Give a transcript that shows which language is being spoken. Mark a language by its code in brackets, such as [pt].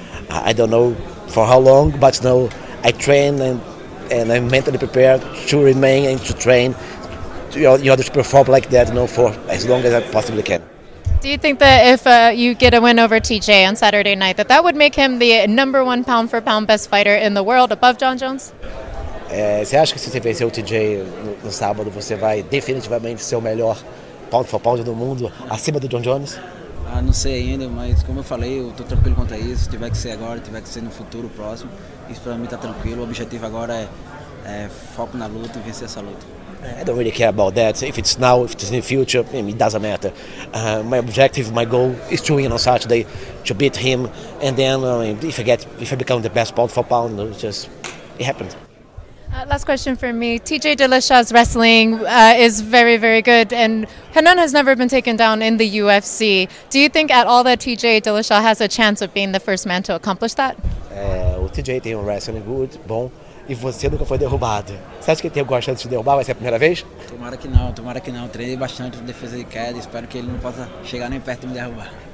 [en] I don't know for how long, but no, I train and I'm mentally prepared to remain and to train in order to perform like that, you know, for as long as I possibly can. Do you think that if you get a win over TJ on Saturday night, that would make him the number one pound for pound best fighter in the world, above John Jones? [pt] Você acha que se você vencer o TJ no sábado, você vai definitivamente ser o melhor pound for pound do mundo, acima do John Jones? Ah, não sei ainda, mas como eu falei, eu estou tranquilo quanto a isso. Se tiver que ser agora, tiver que ser no futuro próximo, isso para mim está tranquilo. O objetivo agora é foco na luta e vencer essa luta. [en] I don't really care about that. If it's now, if it's in the future, it doesn't matter. My objective, my goal is to win on Saturday, to beat him. And then if I become the best pound for pound, it happened. Last question for me. TJ Dillashaw's wrestling is very, very good. And Renan has never been taken down in the UFC. Do you think at all that TJ Dillashaw has a chance of being the first man to accomplish that? [pt] O TJ tem wrestling good, bom. E você nunca foi derrubado. Você acha que ele tem alguma chance de derrubar? Vai ser a primeira vez? Tomara que não. Treinei bastante defesa de queda. Espero que ele não possa chegar nem perto de me derrubar.